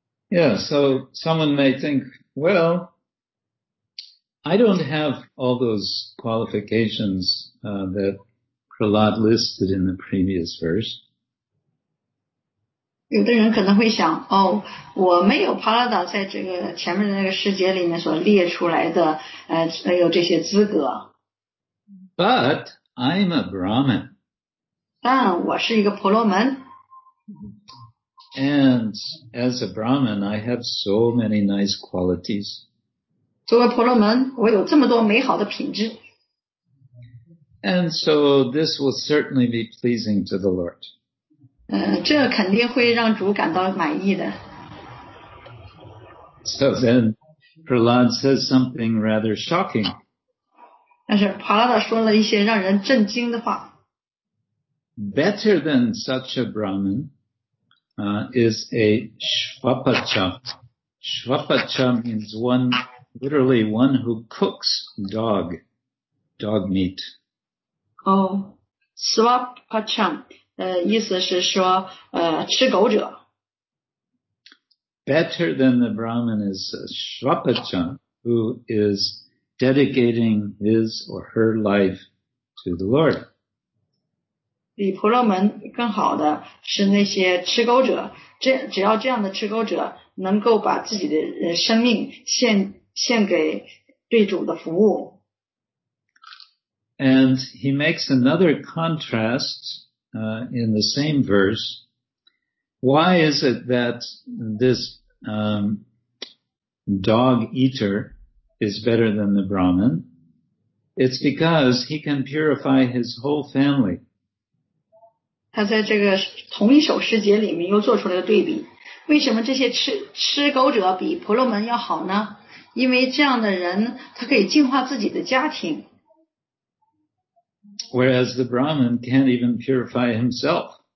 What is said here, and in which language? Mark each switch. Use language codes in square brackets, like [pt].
[en] Yeah, so someone may think, well, I don't have all those qualifications, that Prahlad listed in the previous verse. [zh] 有的人可能会想，哦，我没有帕拉达在这个前面的那个世界里面所列出来的，有这些资格。 [en] But I'm a Brahmin. [zh] 但我是一个婆罗门。 [en] And as a Brahmin, I have so many nice qualities. [zh] 作为婆罗门，我有这么多美好的品质。 [en] And so this will certainly be pleasing to the Lord. [zh] 这肯定会让主感到满意的。 [en] So then, Prahlad says something rather shocking. [zh] 但是帕拉达说了一些让人震惊的话。 [en] Better than such a Brahmin,is a Shvapacha. Shvapacha means one, literally one who cooks dog meat. [zh] Swapacham, 意思是说吃狗者。 [en] Better than the Brahman is Swapacham, who is dedicating his or her life to the Lord. [zh] 比婆罗门更好的是那些吃狗者，只要这样的吃狗者能够把自己的生命献给对主的服务。 [en] And he makes another contrast, in the same verse. Why is it that this, dog eater is better than the Brahman? It's because he can purify his whole family. [zh] 他在这个同一首诗节里面又做出了个对比。为什么这些吃狗者比婆罗门要好呢？因为这样的人他可以净化自己的家庭。 [en] Whereas the Brahman can't even purify himself.